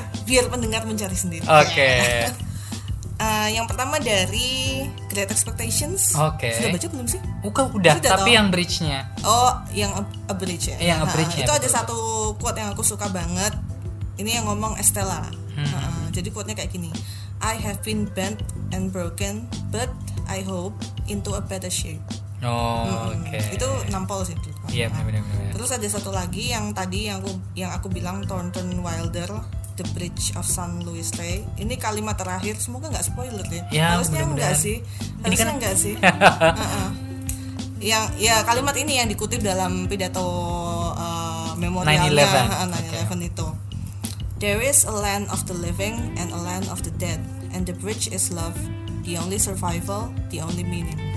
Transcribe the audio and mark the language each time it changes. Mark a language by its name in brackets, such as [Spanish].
[Indonesian] biar pendengar mencari sendiri. [English] Okay. [Indonesian] Yang pertama dari Great Expectations. [English] Okay. [Indonesian] Sudah baca belum sih? Udah. Sudah, tapi yang bridge-nya. Oh, yang abridge ya. Yang abridge-nya. Itu ada satu quote yang aku suka banget. Ini yang ngomong Estella. Jadi quote-nya kayak gini, [English] I have been bent and broken, but I hope into a better shape. Okay. [Indonesian] Itu nampol sih. Iya, benar. Terus ada satu lagi yang tadi yang aku bilang Thornton Wilder, The Bridge of San Luis Rey. Ini kalimat terakhir, semoga enggak spoiler ya. Ya, harusnya enggak sih. Harusnya kan enggak sih. Uh-uh. Yang ya kalimat ini yang dikutip dalam pidato memorialnya 9/11 okay. Itu. [English] There is a land of the living and a land of the dead. And the bridge is love, the only survival, the only meaning.